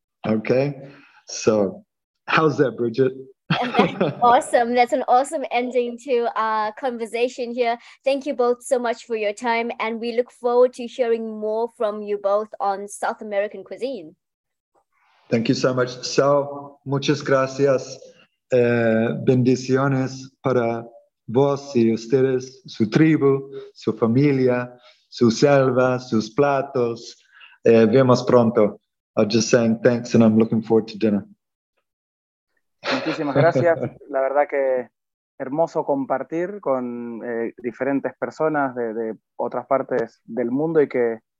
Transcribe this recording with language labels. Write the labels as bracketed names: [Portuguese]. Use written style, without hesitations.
[English] Okay? So how's that, Bridgett? Awesome. That's an awesome ending to our conversation here. Thank you both so much for your time, and we look forward to hearing more from you both on South American cuisine. Thank you so much. So, [Spanish] muchas gracias. Bendiciones para vos y ustedes, su tribu, su familia, su selva, sus platos. Vemos pronto. [English] I'm just saying thanks, and I'm looking forward to dinner. [Spanish] Muchísimas gracias. La verdad que hermoso compartir con diferentes personas de otras partes del mundo y que...